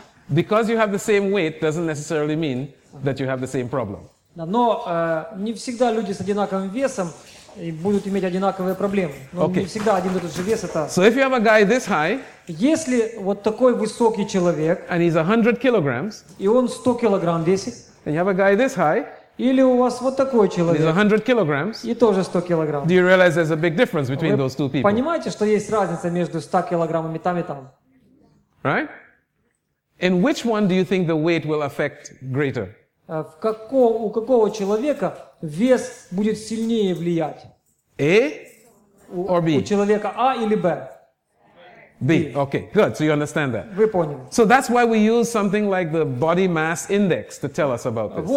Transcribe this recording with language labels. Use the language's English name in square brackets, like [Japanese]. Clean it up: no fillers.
[English] because you have the same weight doesn't necessarily mean that you have the same problem. [Russian] Но не всегда люди с одинаковым весом будут иметь одинаковые проблемы. Не всегда один и тот же вес это. [English] So if you have a guy this high, [Russian] если вот такой высокий человек, [English] and he's 100 kilograms, [Russian] и он 100 килограмм весит, [English] and you have a guy this high, [Russian] или у вас вот такой человек, [English] he's 100 kilograms, [Russian] и тоже 100 килограмм. [English] Do you realize there's a big difference between those two people? [Russian] Понимаете, что есть разница между 100 килограммами там и там? [English] Right? In which one do you think the weight will affect greater? [Russian] У какого человека вес будет сильнее влиять? [English] A or B? [Russian] У человека А или Б? [English] B. Okay, good. So you understand that. [Russian] Вы поняли. [English] So that's why we use something like the body mass index to tell us about this.